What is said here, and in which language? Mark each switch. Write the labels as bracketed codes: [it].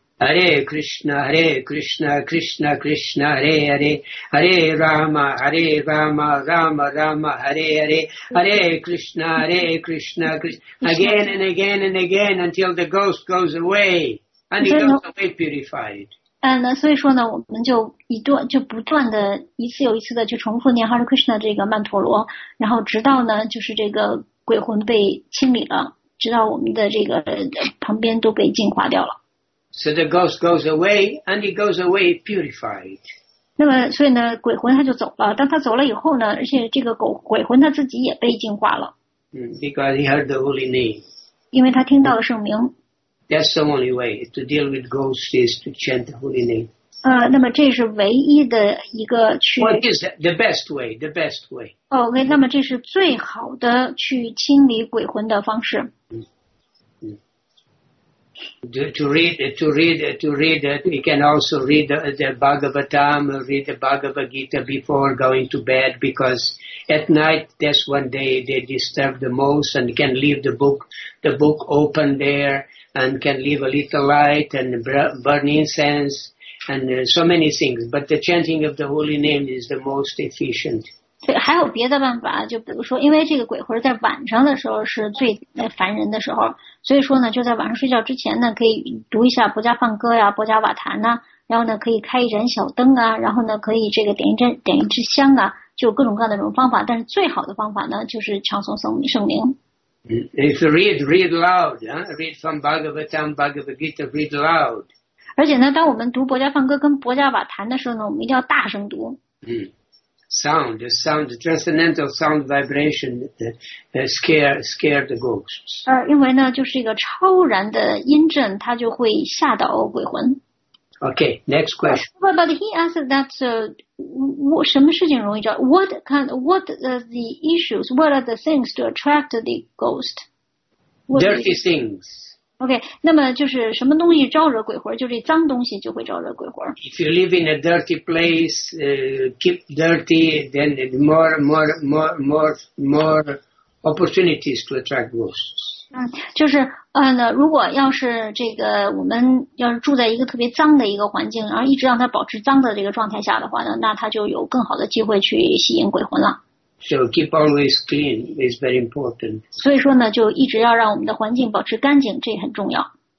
[en] Hare Krishna, Hare Krishna, Krishna Krishna, Hare Hare, Hare Rama, Hare Rama, Rama Rama, Hare Hare, Hare Krishna, Hare Krishna, Krishna, again and again and again until the ghost goes away, and he goes away purified. [zh] 所以说呢，我们就不断的一次又一次的去重复念 Hare Krishna 这个曼陀罗，然后直到呢，就是这个鬼魂被清理了，直到我们的这个旁边都被净化掉了。 [en] So the ghost goes away, and he goes away purified. [zh] 那么，所以呢，鬼魂他就走了。当他走了以后呢，而且这个鬼魂他自己也被净化了。 [en] Because he heard the holy name. [zh] 因为他听到了圣名。 [en] That's the only way to deal with ghosts is to chant the holy name. [zh] 那么这是唯一的一个去。 [en] What is the best way? The best way. [zh] OK, 那么这是最好的去清理鬼魂的方式。 [en] To read, we can also read the Bhagavatam, read the Bhagavad Gita before going to bed, because at night that's when they disturb the most and can leave the book open there. And can leave a little light and burn incense and so many things. But the chanting of the holy name is the most efficient. [zh] 对，还有别的办法，就比如说，因为这个鬼魂在晚上的时候是最烦人的时候，所以说呢，就在晚上睡觉之前呢，可以读一下《薄伽梵歌》呀，《薄伽瓦坛》呐，然后呢，可以开一盏小灯啊，然后呢，可以这个点一支香啊，就各种各样的这种方法。但是最好的方法呢，就是唱诵圣名。 [en] If you read loud, huh? Read from Bhagavatam, Bhagavad Gita, read loud. [zh] 而且呢，当我们读《薄伽梵歌》跟《薄伽瓦坛》的时候呢，我们一定要大声读。 [en] Sound, transcendental sound vibration scare the ghosts. [zh] 因为呢，就是一个超然的音震，它就会吓到鬼魂。 [en] Okay, next question. But he asked that, [zh] 什么事情容易招 [en] what are the issues, what are the things to attract the ghost? Dirty things. [zh] Okay, 那么就是什么东西招惹鬼魂，就是脏东西就会招惹鬼魂。 [en] If you live in a dirty place, keep dirty, then more opportunities to attract ghosts. [zh] 就是如果要是这个我们要是住在一个特别脏的一个环境，然后一直让它保持脏的这个状态下的话呢，那它就有更好的机会去吸引鬼魂了。 [en] So keep always clean is very important. [zh] 所以说呢，就一直要让我们的环境保持干净，这很重要。